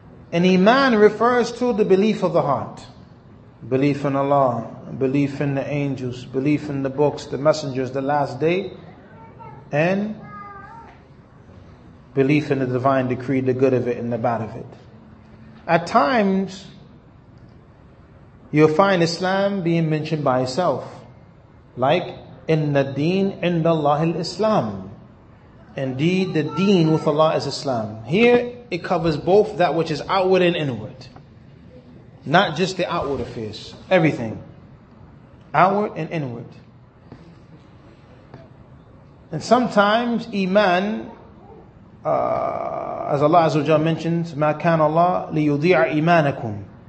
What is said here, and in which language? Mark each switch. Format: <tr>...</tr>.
<en>And Iman refers to the belief of the heart. Belief in Allah, belief in the angels, belief in the books, the messengers, the last day, and belief in the divine decree, the good of it and the bad of it. At times, you'll find Islam being mentioned by itself. Like,</en> <ar>إِنَّ الدِّينَ عِنْدَ اللَّهِ الْإِسْلَامِ.</ar> <en>Indeed, the deen with Allah is Islam. Here, it covers both that which is outward and inward. Not just the outward affairs. Everything. Outward and inward. And sometimes, Iman, as Allah Azza wa Jalla mentions,</en> <ar>مَا كَانَ اللَّهُ لِيُضِيعَ إِيمَانَكُمْ.</ar>